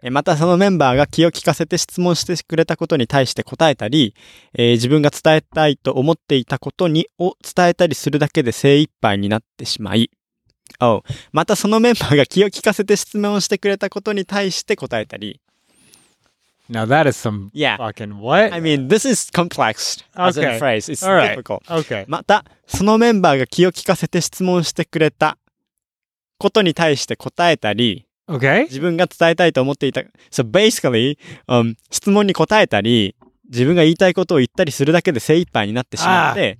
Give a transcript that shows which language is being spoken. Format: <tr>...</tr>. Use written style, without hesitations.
<ja>またそのメンバーが気を利かせて質問してくれたことに対して答えたり、自分が伝えたいと思っていたことにを伝えたりするだけで精一杯になってしまい。</ja> <en>Oh.</en> <ja>またそのメンバーが気を利かせて質問してくれたことに対して答えたり。</ja> <en>Now that is some fucking what? I mean, this is complex as a phrase. It's difficult. Okay.</en> <ja>また、そのメンバーが気を利かせて質問してくれたことに対して答えたり、</ja> <en>okay.</en> <ja>自分が伝えたいと思っていた。</ja> <en>So basically,</en> <ja>質問に答えたり、自分が言いたいことを言ったりするだけで精一杯になってしまって、</ja>